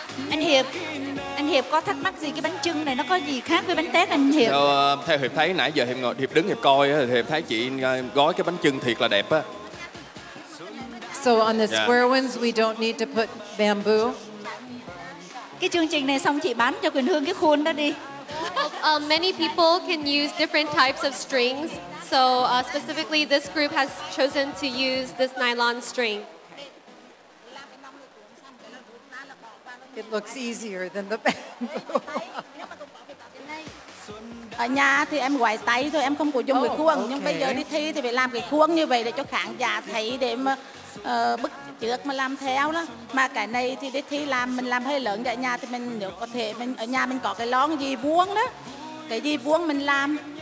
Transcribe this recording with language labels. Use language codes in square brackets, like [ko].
[vi] Anh Hiệp có thắc mắc gì cái bánh chưng này nó có gì khác với bánh tét anh Hiệp? Theo Hiệp thấy nãy giờ Hiệp đứng Hiệp coi thì Hiệp thấy chị gói cái bánh chưng thiệt là đẹp á. [en] So on the square ones we don't need to put bamboo. [vi] Cái chương trình này xong chị bán cho Quyền Hương cái khuôn đó đi. [en] Many people can use different types of strings. So specifically, this group has chosen to use this nylon string. It looks easier than the bamboo. [vi] Ở nhà thì em quay tay thôi, em không có dùng cái khuôn. Nhưng bây giờ đi thi thì phải làm cái khuôn như vậy để cho khán giả thấy để mà bức trước mà làm theo đó. Mà cái này thì đi thi làm mình làm hơi lớn ở nhà thì mình nếu có thể mình ở nhà mình có cái lon gì vuông đó, cái gì vuông mình làm.